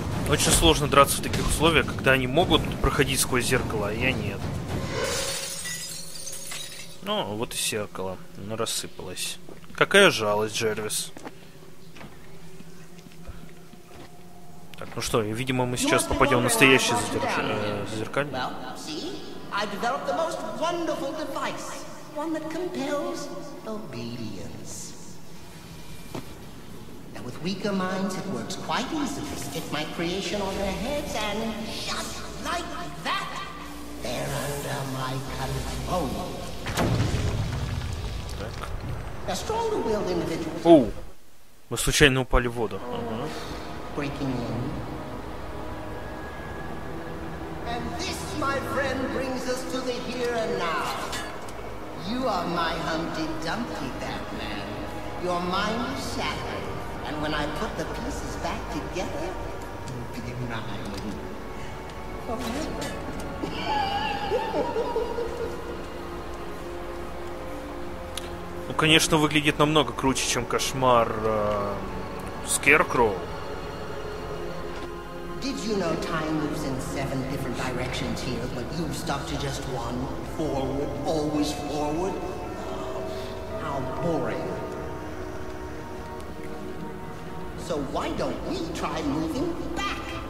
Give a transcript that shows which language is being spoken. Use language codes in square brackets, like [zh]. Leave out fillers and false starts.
[ru] Очень сложно драться в таких условиях, когда они могут проходить сквозь зеркало, а я нет. Ну, вот и зеркало. Оно рассыпалось. Какая жалость, Джервис. Так, ну что, видимо, мы сейчас попадем в настоящее зеркальное. [en] I developed the most wonderful device. One that compels obedience. Now with weaker minds, it works quite easily. Stick my creation on their heads and just like that, they're under my control. [ru] Так. [en] A stronger-willed individual. [ru] Оу, мы случайно упали в воду. [en] Breaking in. And this, my friend, brings us to the here and now. You are my Humpty Dumpty, Batman. Your mind is shattered, and when I put the pieces back together, you'll be mine. Forever. [ru] Ну, конечно, выглядит намного круче, чем кошмар Скеркроу. [en] Did you know time moves in seven different directions here, but you've stuck to just one? Forward, always forward? Oh, how boring. So why don't we try moving back?